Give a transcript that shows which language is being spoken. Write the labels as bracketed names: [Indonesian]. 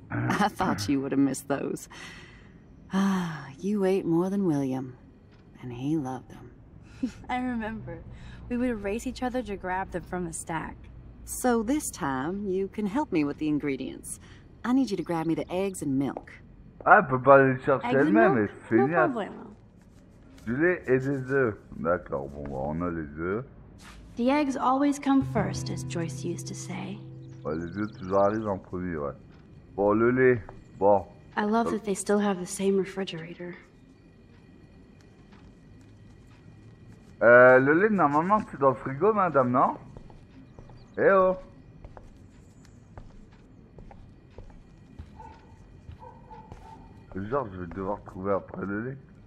[English] I thought you would have missed those. Ah, you ate more than William. And he loved them. I remember. We would race each other to grab them from the stack. So this time, you can help me with the ingredients. I need you to grab me the eggs and milk. [French] Ah, peut pas aller chercher elle-même, c'est fini. [English] No problem. [French] Du lait et des œufs. D'accord, bon, on a les œufs. [English] The eggs always come first, as Joyce used to say. [French] Ouais, les œufs toujours arrivent en premier, ouais. Bon, le lait, bon. [English] I love that they still have the same refrigerator. [French] Le lait, normalement, c'est dans le frigo, madame, non? Eh oh! Genre, je vais devoir trouver après le lait.